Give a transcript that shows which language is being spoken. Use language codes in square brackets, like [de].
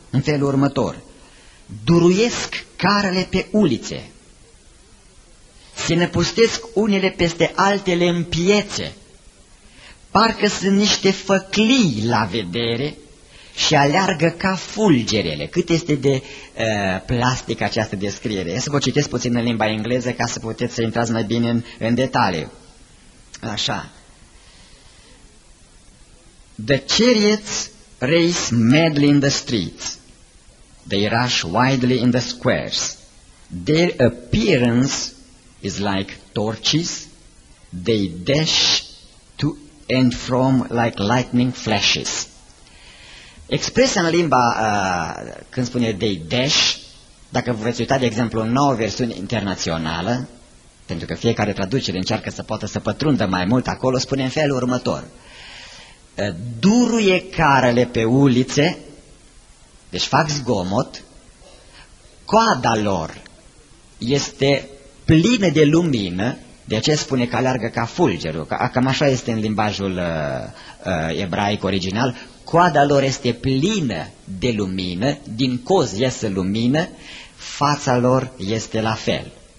[ro] În felul următor, duruiesc carele pe ulițe, se năpustesc unele peste altele în piețe, parcă sunt niște făclii la vedere și aleargă ca fulgerele. Cât este de plastic această descriere? Să vă citesc puțin în limba engleză ca să puteți să intrați mai bine în detaliu. Așa. [en] The chariots race madly in the streets. They rush wildly in the squares. Their appearance is like torches. They dash to and from like lightning flashes. [ro] Expresă în limba, când spune [en] they dash, [ro] dacă vă veți uita, de exemplu, o nouă versiune internațională, pentru că fiecare traducere încearcă să poată să pătrundă mai mult acolo, spune în felul următor. Duruie carele pe ulițe, deci fac zgomot, coada lor este plină de lumină, de aceea spune că aleargă ca fulgerul, cam așa este în limbajul ebraic original, coada lor este plină de lumină, din coz iese lumină, fața lor este la fel.